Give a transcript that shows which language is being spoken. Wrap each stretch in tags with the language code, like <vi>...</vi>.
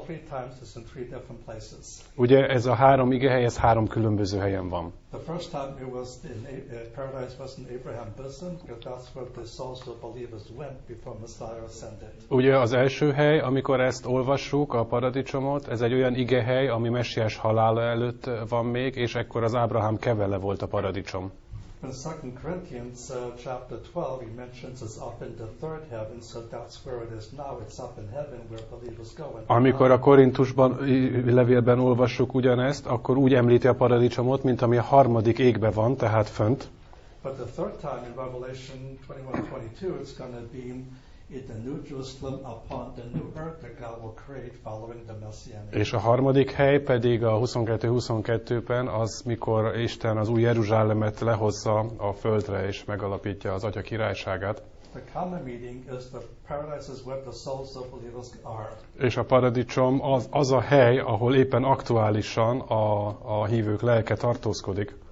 <en>All three times it's in three different places.</en> <hu>Ugye ez a három igehely, ez három különböző helyen van.</hu> <en>The first time it was in paradise was in Abraham's bosom, because that's where the souls of believers went before Messiah ascended.</en> <hu>Ugye az első hely, amikor ezt olvassuk, a paradicsomot, ez egy olyan igehely, ami Messiás halála előtt van még, és ekkor az Ábrahám kevele volt a paradicsom.</hu> <en>In 2 Corinthians chapter 12 he mentions it's up in the third heaven, so that's where it is now, it's up in heaven where believers go.</en> <hu>Amikor a Korintusban levélben olvassuk ugyanezt, akkor úgy említi a paradicsomot, mint ami a harmadik égbe van, tehát fönt.</hu> <en>But the third time in Revelation 21:22 it's going to be in the new Jerusalem upon the new earth that God will create following the messianic.</en> <hu>És a harmadik hely pedig a 22:22-ben az, mikor Isten az új Jeruzsálemet lehozza a földre és megalapítja az Atya királyságát.</hu> <en>The common meeting is the paradise is where the souls of believers are.</en> <hu>És a paradicsom az a hely, ahol éppen aktuálisan a hívők lelke tartózkodik.</hu>